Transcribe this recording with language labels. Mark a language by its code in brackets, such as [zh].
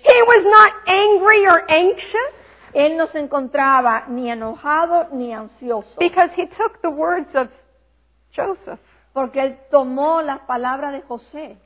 [en] He was not angry or anxious. [es] Él no se encontraba ni enojado ni ansioso. [en] Because he took the words of Joseph. [es] Porque él tomó las palabras de José.